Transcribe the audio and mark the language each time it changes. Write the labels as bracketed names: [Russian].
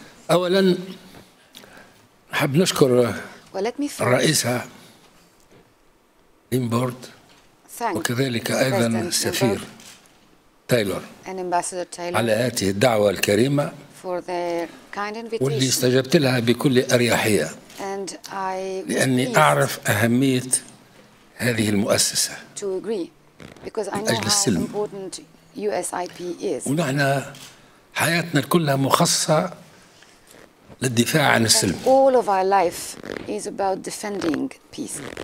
[Arabic] اولا نحب نشكر الرئيسة لينبورد وكذلك ايضا السفير تايلور [English] and Ambassador Taylor [Arabic] على هذه الدعوة الكريمة [English] for their kind invitation. [Arabic] واللي استجبت لها بكل أريحية [English] and I [Arabic] لأني أعرف أهمية هذه المؤسسة [English] to agree because I know how important USIP is. [Arabic] ونحن حياتنا كلها مخصصة للدفاع عن السلم. [English] All of our life is about defending peace.